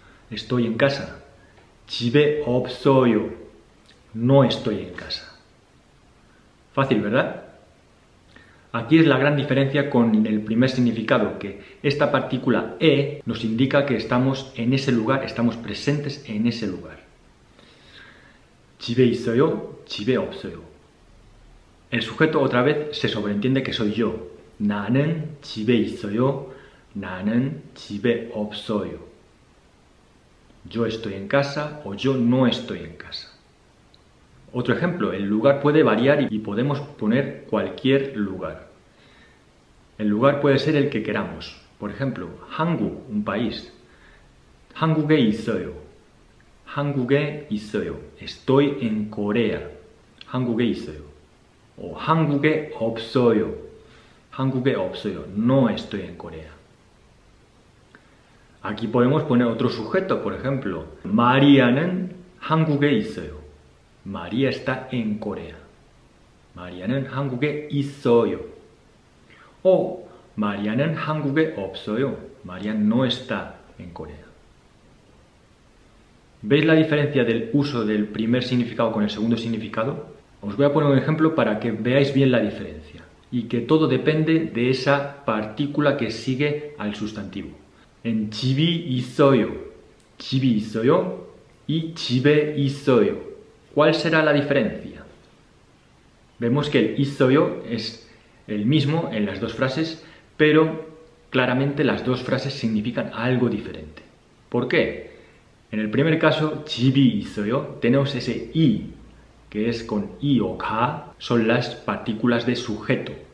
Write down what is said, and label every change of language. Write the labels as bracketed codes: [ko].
[es] Estoy en casa. [ko] 집에 없어요. [es] No estoy en casa. Fácil, ¿verdad? Aquí es la gran diferencia con el primer significado, que esta partícula e nos indica que estamos en ese lugar, estamos presentes en ese lugar. [ko] 집에 있어요, 집에 없어요. [es] El sujeto otra vez se sobreentiende que soy yo. [ko] 나는 집에 있어요, 나는 집에 없어요. [es] Yo estoy en casa o yo no estoy en casa. Otro ejemplo, el lugar puede variar y podemos poner cualquier lugar. El lugar puede ser el que queramos. Por ejemplo, 한국, un país. [ko] 한국에 있어요. 한국에 있어요. [es] Estoy en Corea. [ko] 한국에 있어요. O 한국에 없어요. 한국에 없어요. [es] No estoy en Corea. Aquí podemos poner otro sujeto, por ejemplo, [ko] 마리아는 한국에 있어요. [es] María está en Corea. [ko] 마리아는 한국에 있어요. O 마리아는 한국에 없어요. [es] María no está en Corea. ¿Veis la diferencia del uso del primer significado con el segundo significado? Os voy a poner un ejemplo para que veáis bien la diferencia y que todo depende de esa partícula que sigue al sustantivo. [ko] En 집이 있어요. 집이 있어요 [es] y [ko] 집에 있어요. [es] ¿Cuál será la diferencia? Vemos que el 있어요 es el mismo en las dos frases, pero claramente las dos frases significan algo diferente. ¿Por qué? En el primer caso, [ko] 집이 있어요, [es] tenemos ese 이, que es con 이 o 가, son las partículas de sujeto.